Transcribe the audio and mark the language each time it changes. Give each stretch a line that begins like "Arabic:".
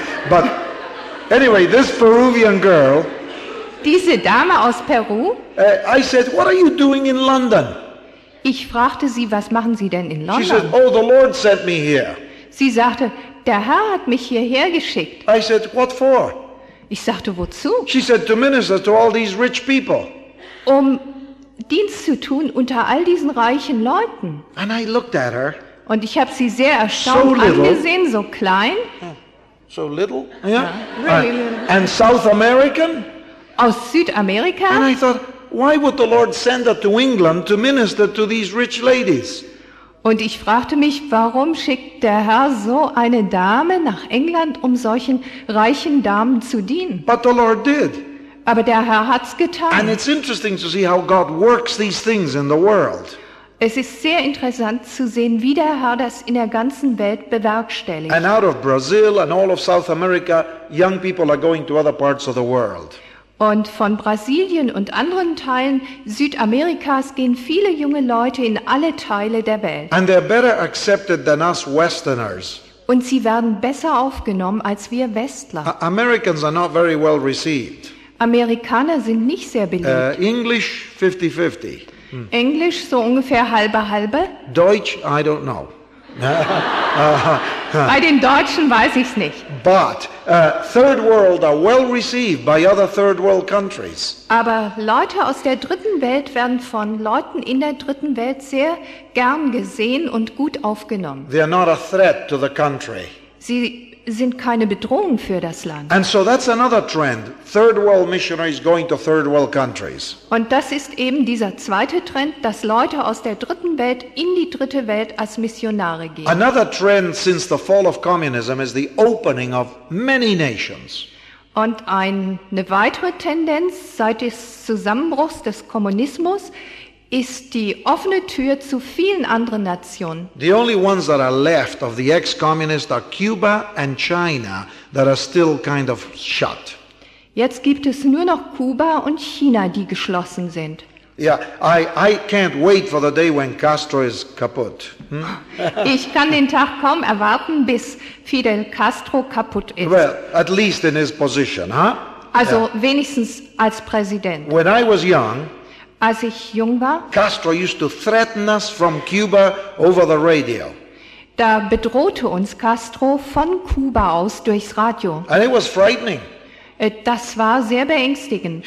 English: But anyway, this Peruvian girl.
German: Diese Dame aus Peru.
English: I said, "What are you doing in London?"
German: Ich fragte sie, was machen Sie denn in London?
English: She said, "Oh, the Lord sent me here."
German: Sie sagte, der Herr hat mich hierher geschickt.
English: I said, "What for?"
German: Ich sagte, wozu?
English: She said, "To minister to all these rich people."
German: Um Dienst zu tun unter all diesen reichen Leuten.
English: And I looked at her.
German: Und ich habe sie sehr erstaunt so angesehen, so klein.
English: So little, yeah. Really little. And South American?
German: Aus Südamerika?
English: And I thought, why would the Lord send her to England to minister to these rich ladies?
German: Und ich fragte mich, warum schickt der Herr so eine Dame nach England, um solchen reichen Damen zu dienen?
English: But the Lord did.
German: Aber der Herr hat's getan.
English: And it's interesting to see how God works these things in the world.
German: Es ist sehr interessant zu sehen, wie der Herr das in der ganzen Welt bewerkstelligt.
English: And out of Brazil and all of South America, young people are going to other parts of the world.
German: Und von Brasilien und anderen Teilen Südamerikas gehen viele junge Leute in alle Teile der Welt.
English: And they're better accepted than us Westerners.
German: Und sie werden besser aufgenommen als wir Westler.
English: Americans are not very well received.
German: Amerikaner sind nicht sehr beliebt.
English: English 50-50.
German: Englisch so ungefähr halbe halbe.
English: Deutsch, I don't know.
German: Bei den Deutschen weiß ich's nicht.
English: But third world are well received by other third world countries.
German: Aber Leute aus der dritten Welt werden von Leuten in der dritten Welt sehr gern gesehen und gut aufgenommen.
English: They are not a threat to the country.
German: Sie sind keine Bedrohung für das Land.
English: And so that's another trend. Third world missionaries going to third world countries.
German: Und das ist eben dieser zweite Trend, dass Leute aus der dritten Welt in die dritte Welt als Missionare gehen.
English: Another trend since the fall of communism is the opening of many nations.
German: Und eine weitere Tendenz seit des Zusammenbruchs des Kommunismus ist die offene Tür zu vielen anderen Nationen.
English: The only ones that are left of the ex-communists are Cuba and China that are still kind of shut.
German: Jetzt gibt es nur noch Kuba und China, die geschlossen sind.
English: Yeah, I can't wait for the day when Castro is kaputt. Hm?
German: Ich kann den Tag kaum erwarten, bis Fidel Castro kaputt ist.
English: Well, at least in his position, huh? Also yeah.
German: Wenigstens als Präsident.
English: When I was young,
German: als ich jung war,
English: Castro used to threaten us from Cuba over the radio.
German: Da bedrohte uns Castro von Kuba aus durchs Radio.
English: And it was frightening.
German: Das war sehr beängstigend.